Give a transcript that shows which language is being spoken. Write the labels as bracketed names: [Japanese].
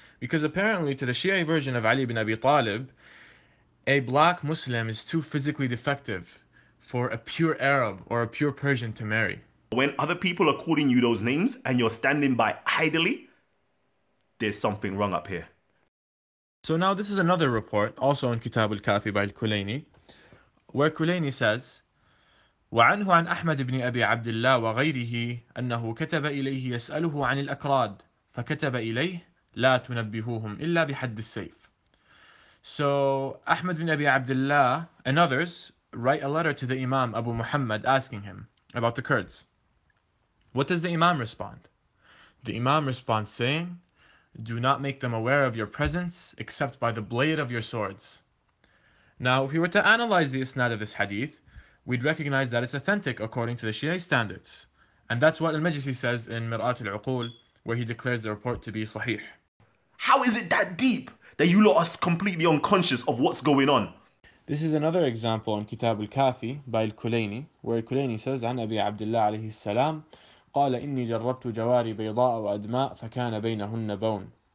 [English] Because apparently, to the Shia version of Ali ibn Abi Talib, a black Muslim is too physically defective for a pure Arab or a pure Persian to marry. When other people are calling you those names and you're standing by idly, there's something wrong up here. So now this is another report, also in Kitab al-Kafi by al-Kulayni, where Kulayni says, [Arabic] وعنه عن أحمد بن أبي عبد الله وغيره أنه كتب إليه يسأله عن الأكراد فكتب إليه لا تنبهوهم إلا بحد السيف. [English] So Ahmad ibn Abi Abdullah and others write a letter to the Imam Abu Muhammad asking him about the Kurds. What does the Imam respond? The Imam responds saying, "Do not make them aware of your presence except by the blade of your swords." Now, if we were to analyze the isnad of this hadith, we'd recognize that it's authentic according to the Shia standards. And that's what Al-Majlisi says in Mir'at al-Uqul, where he declares the report to be sahih. How is it that deep that you lot are completely unconscious of what's going on? This is another example in Kitab al-Kafi by al-Kulayni, where al-Kulayni says, [Arabic] عن أبي عبد الله عليه السلام قال إني جربت جواري بيضاء وأدماء فكان بينهن بون.